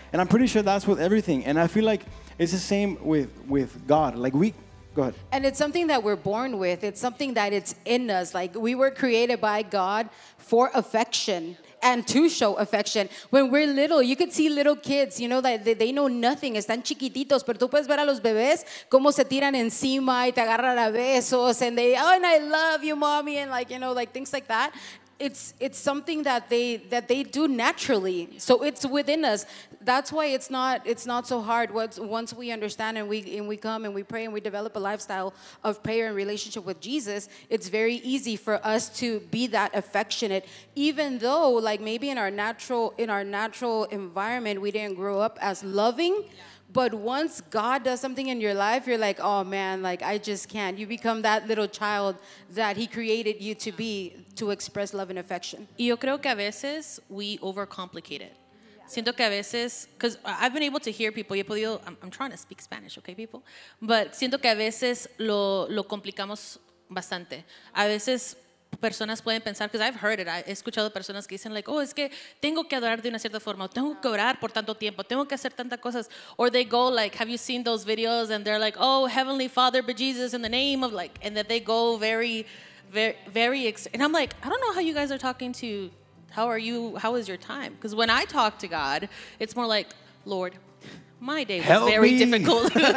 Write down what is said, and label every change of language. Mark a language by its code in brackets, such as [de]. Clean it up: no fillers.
[en] And I'm pretty sure that's with everything. And I feel like it's the same with God. Like, go ahead. And it's something that we're born with. It's something that it's in us. Like, we were created by God for affection. And to show affection. When we're little, you could see little kids, you know, that they know nothing. [es] Están chiquititos. Pero tú puedes ver a los bebés como se tiran encima y te agarran a besos. [en] And they, oh, and I love you, mommy. And like, you know, like things like that. It's something that they do naturally. So it's within us. That's why it's not so hard. Once we understand and we come and we pray and we develop a lifestyle of prayer and relationship with Jesus, it's very easy for us to be that affectionate. Even though, like maybe in our natural environment, we didn't grow up as loving. But once God does something in your life, you're like, oh man, like I just can't. You become that little child that He created you to be, to express love and affection. [es] Yo creo que a veces [en] we overcomplicate it. [es] Siento que a veces, [en] because I've been able to hear people, I'm trying to speak Spanish, okay, people? [es] But siento que a veces lo complicamos bastante. A veces personas pueden pensar, [en] because I've heard it, [es] he escuchado personas que dicen like, oh, es que tengo que adorar de una cierta forma, o tengo que orar por tanto tiempo, tengo que hacer tantas cosas. [en] Or they go like, have you seen those videos? And they're like, oh, Heavenly Father, but Jesus, in the name of like, and that they go very, very, very, and I'm like, I don't know how you guys are talking to How are you? How is your time? Because when I talk to God, it's more like, Lord, my day was very difficult.